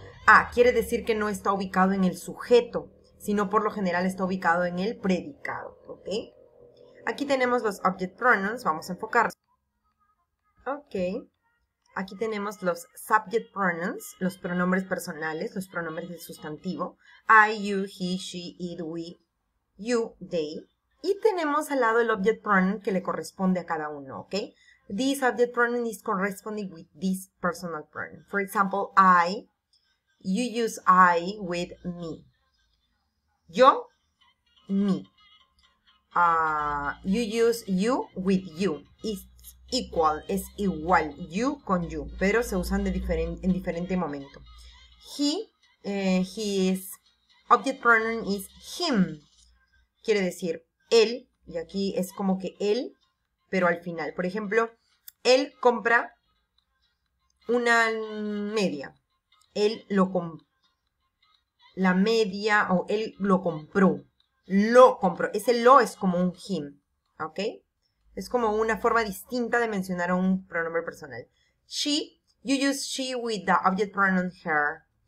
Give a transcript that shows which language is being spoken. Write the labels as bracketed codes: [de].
[es] Ah, quiere decir que no está ubicado en el sujeto, sino por lo general está ubicado en el predicado, ¿ok? Aquí tenemos los object pronouns, vamos a enfocarnos. Ok, aquí tenemos los subject pronouns, los pronombres personales, los pronombres del sustantivo. [en] I, you, he, she, it, we, you, they. [es] Y tenemos al lado el object pronoun que le corresponde a cada uno, ¿ok? [en] This object pronoun is corresponding with this personal pronoun. For example, I, you use I with me. Yo, me. You use you with you. It's equal, [es] es igual, you con you, pero se usan en diferente momento. [en] He, his object pronoun is him. [es] Quiere decir él, y aquí es como que él, pero al final. Por ejemplo, él compra una media. Él lo compró. La media, o él lo compró. Lo compró. Ese lo es como un him, ¿ok? Es como una forma distinta de mencionar a un pronombre personal. [en] She, you use she with the object pronoun her.